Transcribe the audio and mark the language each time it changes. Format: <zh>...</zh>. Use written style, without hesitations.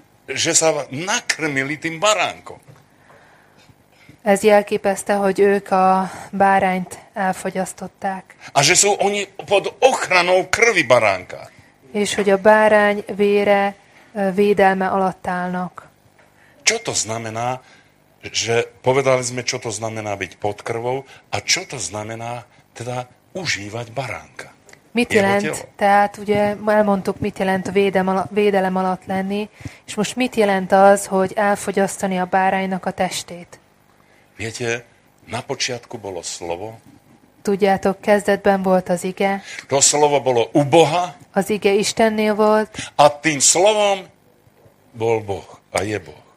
<sk>že sa nakrmili tým baránkom.</sk> <hu>Ez jelképezte, hogy ők a bárányt elfogyasztották.</hu> <sk>A že sú oni pod ochranou krvi baránka.</sk> <hu>És hogy a bárány vére védelme alatt állnak.</hu> <sk>Čo to znamená, že povedali sme, čo to znamená byť pod krvou, a čo to znamená teda užívať baránka?</sk> <hu>Mit jelent? Tehát ugye elmondtuk, mit jelent a védelem alatt lenni, és most mit jelent az, hogy elfogyasztani a báránynak a testét?</hu> <sk>Viete, na počiatku bolo slovo.</sk> <hu>Tudjátok, kezdetben volt az ige.</hu> <sk>To slovo bolo u Boha.</sk> <hu>Az ige Istennél volt.</hu> <sk>A tým slovom bol Boh a je Boh.</sk>